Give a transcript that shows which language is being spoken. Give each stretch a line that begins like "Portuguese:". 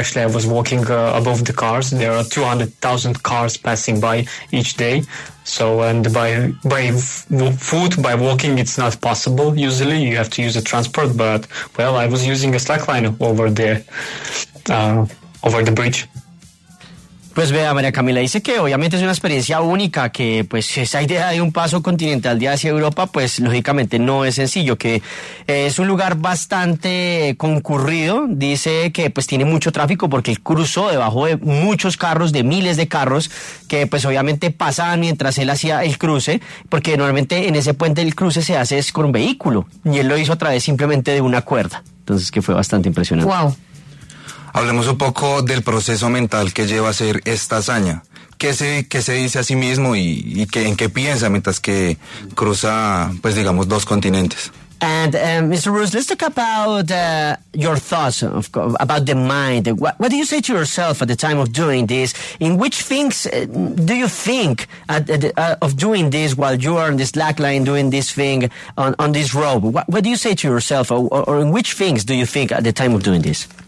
English: Actually, I was walking above the cars. There are 200,000 cars passing by each day. So, and by foot, by walking, it's not possible. Usually, you have to use a transport. But well, I was using a slackline over there. Over the bridge.
Spanish: Pues vea, María Camila, dice que obviamente es una experiencia única, que pues esa idea de un paso continental de hacia Europa, pues lógicamente no es sencillo, que es un lugar bastante concurrido. Dice que pues tiene mucho tráfico porque cruzó debajo de muchos carros, de miles de carros, que pues obviamente pasaban mientras él hacía el cruce, porque normalmente en ese puente el cruce se hace es con un vehículo, y él lo hizo a través simplemente de una cuerda. Entonces que fue bastante impresionante. Wow. Hablemos un poco del proceso mental que lleva a hacer esta hazaña. ¿Qué se dice a sí mismo y en qué piensa mientras que cruza, pues digamos, 2 continentes?
English: And Mr. Rus, let's talk about your thoughts about the mind. What do you say to yourself at the time of doing this? In which things do you think of doing this while you are on this slack line doing this thing on this rope? What do you say to yourself, or in which things do you think at the time of doing this?